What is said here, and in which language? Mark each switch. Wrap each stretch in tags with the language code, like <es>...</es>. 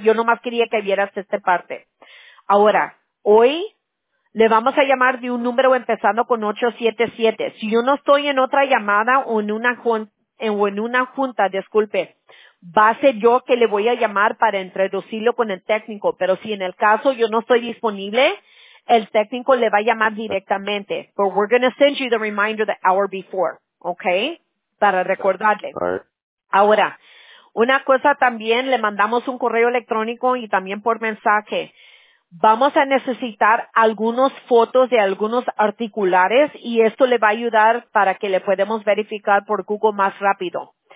<es>Yo nomás quería que vieras esta parte. Ahora, hoy le vamos a llamar de un número empezando con 877. Si yo no estoy en otra llamada o en una junta, disculpe, va a ser yo que le voy a llamar para introducirlo con el técnico. Pero si en el caso yo no estoy disponible, el técnico le va a llamar directamente.</es> <en>But we're going to send you the reminder the hour before, okay?</en> <es>Para recordarle. Ahora, una cosa también, le mandamos un correo electrónico y también por mensaje. Vamos a necesitar algunas fotos de algunos articulares y esto le va a ayudar para que le podamos verificar por Google más rápido.</es>